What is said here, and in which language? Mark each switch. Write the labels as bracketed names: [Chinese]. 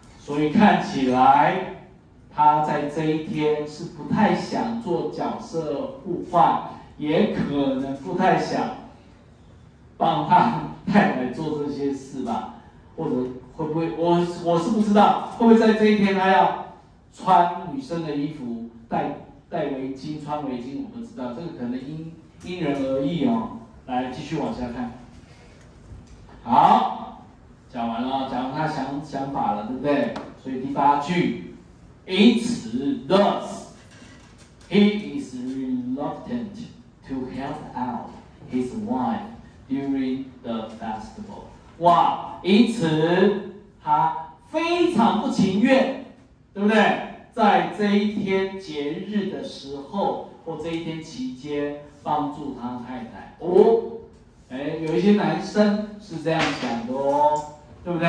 [Chinese] 所以看起来他在这一天是不太想做角色互换，也可能不太想帮他太太做这些事吧，或者会不会 我是不知道会不会在这一天他要穿女生的衣服，戴围巾，穿围巾，我不知道，这个可能 因人而异哦。来继续往下看，好，讲完了，讲完他 想法了，对不对？所以第八句 [English] ，It's thus he is reluctant to help out his wife during the festival。 [Chinese] 哇，因此他非常不情愿，对不对？在这一天节日的时候或这一天期间帮助他太太。哦，哎，有一些男生是这样想的哦。对不对？